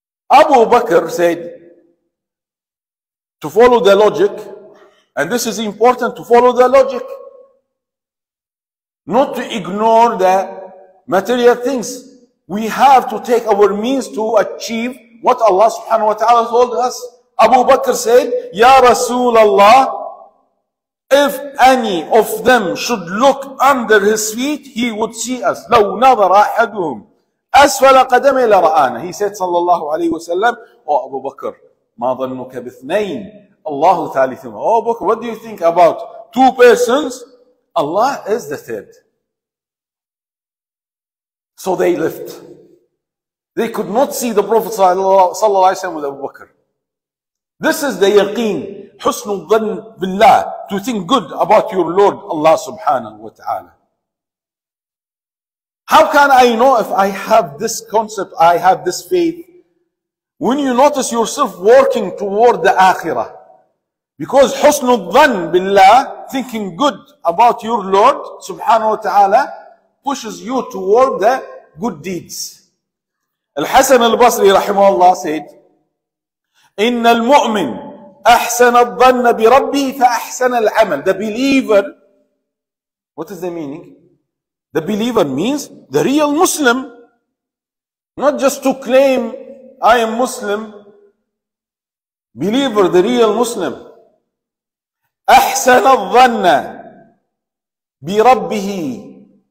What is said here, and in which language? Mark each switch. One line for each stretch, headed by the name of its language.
English: Abu Bakr said, to follow the logic, and this is important, to follow the logic, not to ignore the material things. We have to take our means to achieve what Allah subhanahu wa ta'ala told us. Abu Bakr said, Ya Rasul Allah, if any of them should look under his feet, he would see us.
Arabic: لو نظر أحدهم أسفل قدمي لرآنا.
English: He said
Arabic: صلى الله عليه وسلم,
English: O Abu Bakr,
Arabic: ما ظنك باثنين الله ثالثهما.
English: O Abu Bakr, what do you think about two persons? Allah is the third. So they left. They could not see the Prophet صلى الله عليه وسلم with Abu Bakr. This is the yaqeen.
Arabic: حسن الظن بالله,
English: to think good about your Lord Allah subhanahu wa ta'ala. How can I know if I have this concept, I have this faith? When you notice yourself working toward the Akhirah, because
Arabic: حسن الظن بالله,
English: thinking good about your Lord subhanahu wa ta'ala, pushes you toward the good deeds.
Arabic: Al-Hasan al-Basri رحمه الله
English: said,
Arabic: إن المؤمن أحسن الظن بربي فأحسن العمل.
English: The believer, what is the meaning? The believer means the real Muslim. Not just to claim I am Muslim. Believer, the real Muslim.
Arabic: أحسن الظن بربه.